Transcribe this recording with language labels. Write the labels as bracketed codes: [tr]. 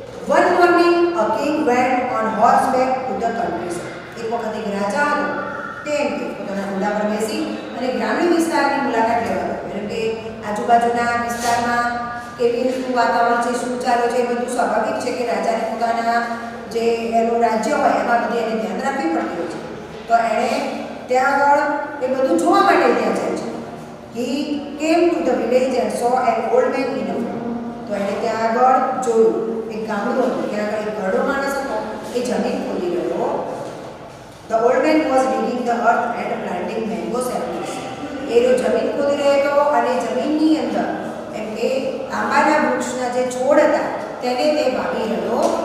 [en] one morning a king went on horseback to the countryside, [gu] એક વખત એક રાજા હતો તે પોતાના ઘોડા પર બેસી અને ગ્રામીણ વિસ્તારની મુલાકાત લેવા ગયો, એટલે કે આજુબાજુના વિસ્તારમાં કેવી રીતનું વાતાવરણ છે, શું ચાલે છે, એ બધું સ્વાભાવિક છે કે રાજાને પોતાના જે એનું રાજ્ય હોય એમાં બધી એને ધ્યાન રાખવી પડતી હોય છે. તો એણે ત્યાં આગળ એ બધું જોવા માટે ત્યાં જાય છે. [en] He came to the village and saw an old man in a room. [gu] તો એણે ત્યાં આગળ જોયું એક ગામડો હતો, ત્યાં આગળ એક ઘરડો માણસ હતો એ જમીન ખોદી રહ્યો. [en] The old man was digging the earth and planting mango saplings. [gu] એ જો જમીન ખોદી રહ્યો હતો અને જમીનની અંદર એમ કે આંબાના વૃક્ષના જે છોડ હતા તેને તે વાવી રહ્યો.